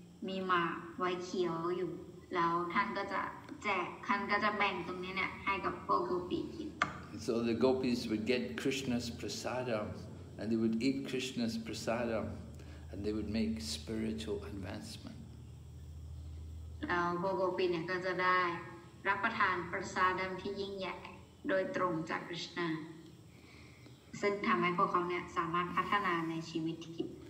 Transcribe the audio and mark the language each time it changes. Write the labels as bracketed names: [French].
[Thai] มีหมาไว้เขียวอยู่แล้วท่านก็จะแจกท่านก็จะแบ่งตรงนี้เนี่ยให้กับพวกโกปีกิน [English] So the gopis would get Krishna's prasadam and they would eat Krishna's prasadam and they would make spiritual advancement [Thai] แล้วพวกโกปีเนี่ยก็จะได้รับประทานประสาดำที่ยิ่งใหญ่โดยตรงจาก Krishna ซึ่งทำให้พวกเขาเนี่ยสามารถพัฒนาในชีวิตที่